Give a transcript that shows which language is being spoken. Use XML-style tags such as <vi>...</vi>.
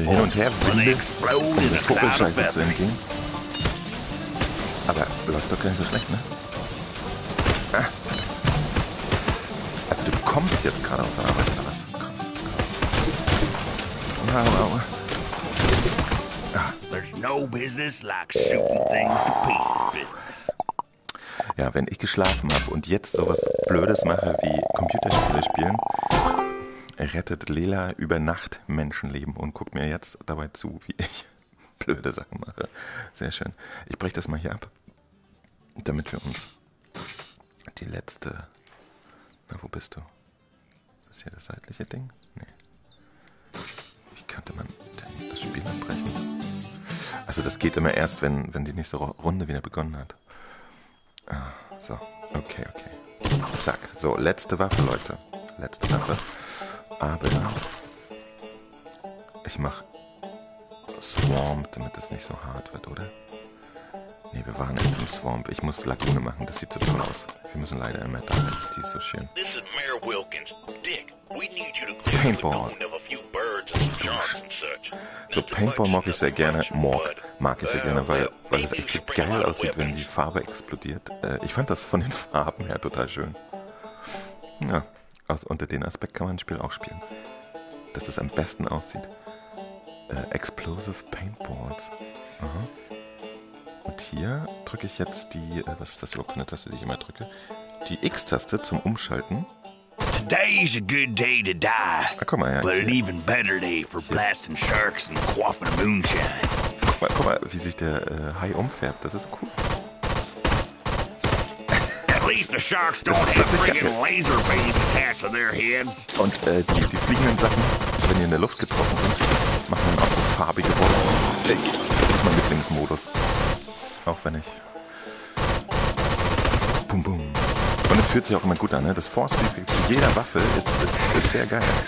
<de>Hin und her</de> <en>when they explode in a cloud of feathers.</en> <de>Aber läuft doch gar nicht so schlecht, ne? Ah. Also du kommst jetzt gerade aus der Arbeit, oder was? Krass, krass. Na,</de> <en>there's no business like shooting things to pieces business.</en> <de>Ja, wenn ich geschlafen habe und jetzt sowas Blödes mache wie Computerspiele spielen, rettet Lela über Nacht Menschenleben und guckt mir jetzt dabei zu, wie ich blöde Sachen mache. Sehr schön. Ich breche das mal hier ab, damit wir uns die letzte... Na, wo bist du? Ist hier das seitliche Ding? Nee. Wie könnte man denn das Spiel abbrechen? Also das geht immer erst, wenn die nächste Runde wieder begonnen hat. Ah, so, okay. Zack, so, letzte Waffe, Leute. Letzte Waffe. Aber ich mach Swamp, damit das nicht so hart wird, oder? Nee, wir waren nicht im Swamp. Ich muss Lagune machen, das sieht so toll aus. Wir müssen leider immer da, die ist so schön.</de> <en>This is Mayor Wilkins. Dick, we need you to clear</en> <de>Paintball.</de> <en>The of a few birds and sharks and such.</en> <de>So, Paintball mag ich sehr gerne. Morg mag ich sehr gerne, weil es echt so geil aussieht, wenn die Farbe explodiert. Ich fand das von den Farben her total schön. Ja, also unter dem Aspekt kann man ein Spiel auch spielen. Dass es am besten aussieht. Explosive Paintballs. Aha. Und hier drücke ich jetzt die, was ist das überhaupt für eine Taste, die ich immer drücke? Die X-Taste zum Umschalten.</de> <en>Today's a good day to die.</en> <de>Ah, guck mal, ja,</de> <en>but</en> <de>hier.</de> <en>An even better day for blasting sharks and quaffing moonshine.</en> <de>Guck mal, wie sich der Hai umfärbt. Das ist cool.</de> <en>At least the sharks don't have friggin' laser beams attached to their heads.</en> <de>Und die fliegenden Sachen, wenn die in der Luft getroffen sind, machen dann auch so farbige Wolken. Das ist mein Lieblingsmodus. Auch wenn ich... Bum, bum. Und es fühlt sich auch immer gut an, ne? Das Force-Feedback zu jeder Waffe ist sehr geil.</de>